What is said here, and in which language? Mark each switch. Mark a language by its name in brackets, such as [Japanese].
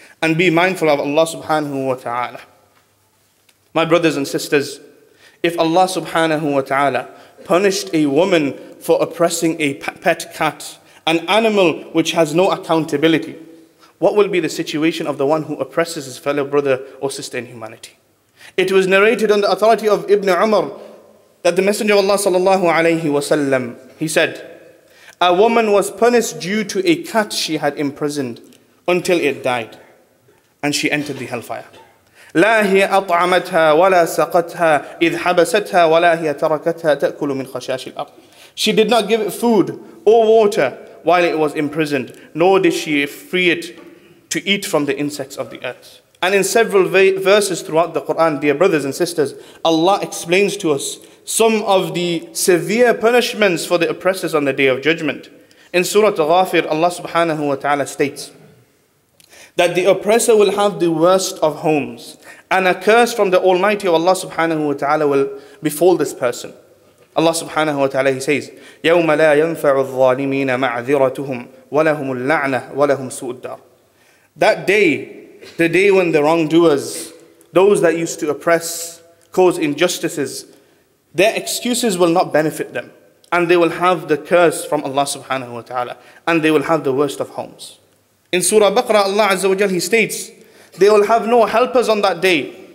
[English] And be mindful of Allah subhanahu wa ta'ala. My brothers and sisters, if Allah subhanahu wa ta'ala punished a woman for oppressing a pet cat, an animal which has no accountability, what will be the situation of the one who oppresses his fellow brother or sister in humanity? It was narrated on the authority of Ibn Umar that the Messenger of Allah sallallahu alayhi wa sallam, he said, a woman was punished due to a cat she had imprisoned until it died, and she entered the hellfire. [Arabic] لا هي أطعمتها ولا سقتها إذ حبستها ولا هي تركتها تأكل من خشاش الأرض. [English] She did not give it food or water while it was imprisoned, nor did she free it to eat from the insects of the earth. And in several verses throughout the Quran, dear brothers and sisters, Allah explains to us some of the severe punishments for the oppressors on the Day of Judgment. In Surah Ghafir, Allah subhanahu wa ta'ala states that the oppressor will have the worst of homes, and a curse from the Almighty of Allah subhanahu wa ta'ala will befall this person. Allah subhanahu wa ta'ala, he says, [Arabic] يَوْمَ لَا يَنْفَعُ الظَّالِمِينَ مَعْذِرَتُهُمْ وَلَهُمُ اللَّعْنَةِ وَلَهُمْ سُوءُ الدَّارِ. [English] That day, the day when the wrongdoers, those that used to oppress, cause injustices, their excuses will not benefit them. And they will have the curse from Allah subhanahu wa ta'ala. And they will have the worst of homes. In Surah Baqarah, Allah azza wa jal, he states, they will have no helpers on that day.